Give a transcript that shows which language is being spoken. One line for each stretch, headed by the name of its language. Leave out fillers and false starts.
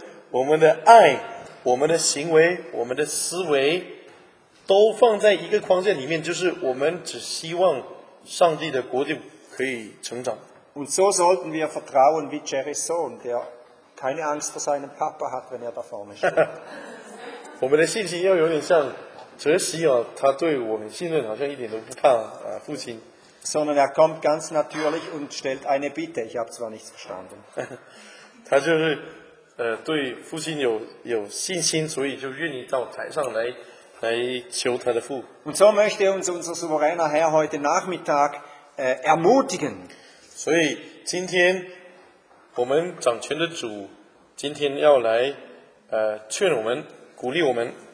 Chinese: 我们的爱，我们的行为，我们的思维，都放在一个框架里面，就是我们只希望上帝的国就可以成长。
German: Und so sollten wir vertrauen wie Jerrys Sohn, der keine Angst vor seinem Papa hat, wenn da vorne steht.
Chinese: 我们的信心要有点像哲西哦，他对我们信任好像一点都不怕啊，父亲。
German: Sondern er kommt ganz natürlich und stellt eine Bitte. Ich habe zwar nichts verstanden.
Chinese: 他就是对父亲有信心，所以就愿意到台上来求他的父。
German: Und so möchte uns unser souveräner Herr heute Nachmittag ermutigen.
Chinese: 所以今天我们掌权的主今天要来劝我们，鼓励我们。